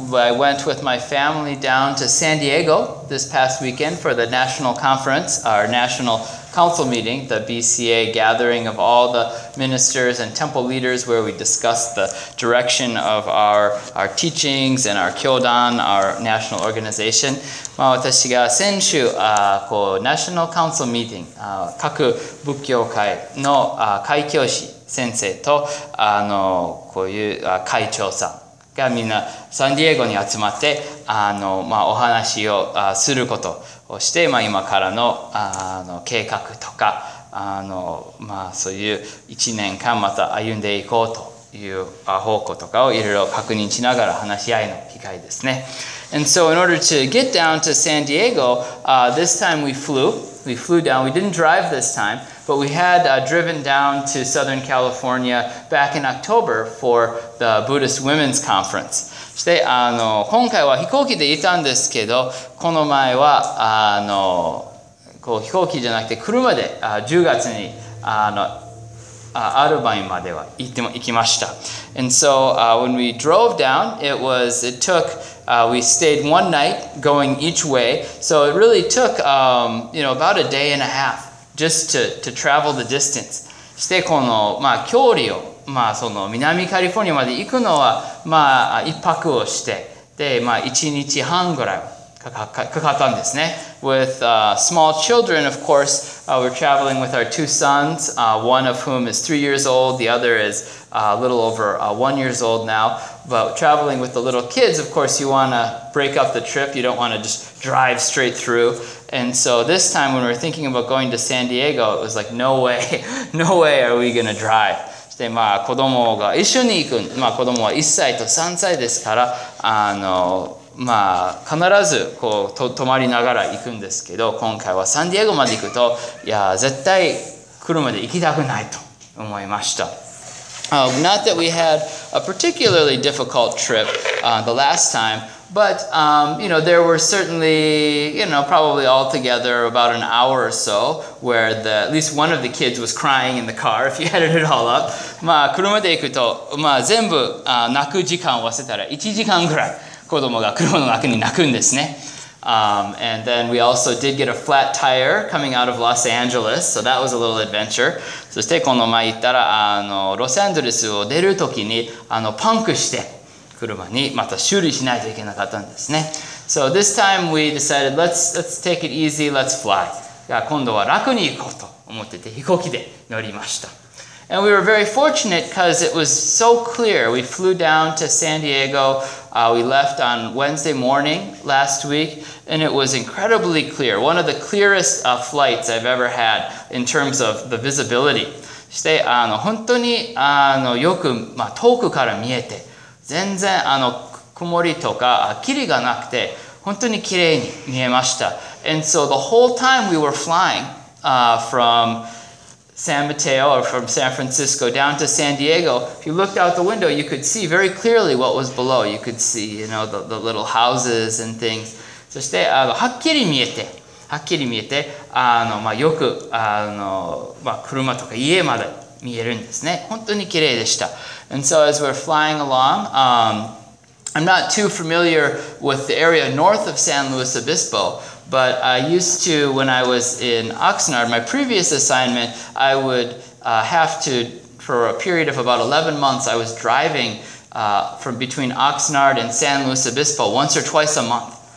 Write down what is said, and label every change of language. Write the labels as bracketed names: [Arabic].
[English] I went with my family down to San Diego this past weekend for the national conference, our national council meeting, the BCA gathering of all the ministers and temple leaders, where we discussed the direction of our teachings and our Kyodan, our national organization. [Japanese] 私が先週、こう、ナショナルカウンセルミーティング、各仏教会の会教師、先生と、こういう会長さんがみんなサンディエゴに集まって、まあ、お話をすることをして、まあ、今からの、計画とか、まあ、そういう一年間また歩んでいこうという方向とかをいろいろ確認しながら話し合いの機会ですね。 [English] And so in order to get down to San Diego, this time we flew down. We didn't drive this time, but we had driven down to Southern California back in October for the Buddhist Women's Conference. [Japanese] そして今回は飛行機でいたんですけど、この前はこう飛行機じゃなくて車で10月にアルバイまでは行きました。 [English] And so when we drove down, we stayed one night going each way. So it really took, about a day and a half just to travel the distance. [Japanese] そしてこの、まあ、距離を、まあ、その南カリフォルニアまで行くのは、まあ、一泊をして、で、まあ、一日半ぐらいかかったんですね。 [English] With small children, of course, we're traveling with our two sons, one of whom is 3 years old, the other is a little over 1 years old now. But traveling with the little kids, of course, you want to break up the trip. You don't want to just drive straight through. And so this time when we were thinking about going to San Diego, it was like, no way are we going to drive. [Japanese] で、まあ、子供が一緒に行く、まあ、子供は1歳と3歳ですから、まあ、必ずこう泊まりながら行くんですけど、今回はサンディエゴまで行くと、いや、絶対車で行きたくないと思いました。 [English] Not that we had a particularly difficult trip the last time, but there were certainly, probably altogether about an hour or so where at least one of the kids was crying in the car if you added it all up. [Japanese] まあ車で行くと、まあ全部泣く時間を合わせたら1時間ぐらい子供が車の中に泣くんですね。 [English] And then we also did get a flat tire coming out of Los Angeles, so that was a little adventure. [Japanese] そしてこの前言ったら、ロサンゼルスを出るときに、パンクして車にまた修理しないといけなかったんですね。 [English] So this time we decided, let's take it easy, let's fly. [Japanese] 今度は楽に行こうと思ってて飛行機で乗りました。 [English] And we were very fortunate because it was so clear. We flew down to San Diego. We left on Wednesday morning last week, and it was incredibly clear. One of the clearest flights I've ever had in terms of the visibility. [Japanese] そして本当によく、遠くから見えて、全然曇りとか霧がなくて、本当に綺麗に見えました。 [English] And so the whole time we were flying from San Mateo or from San Francisco down to San Diego, if you looked out the window, you could see very clearly what was below. You could see, the little houses and things. [Japanese] そして、はっきり見えて、よく、車とか家まで見えるんですね。本当に綺麗でした。 [English] And so as we're flying along, I'm not too familiar with the area north of San Luis Obispo, but I used to, when I was in Oxnard, my previous assignment, I would have to, for a period of about 11 months, I was driving from between Oxnard and San Luis Obispo once or twice a month.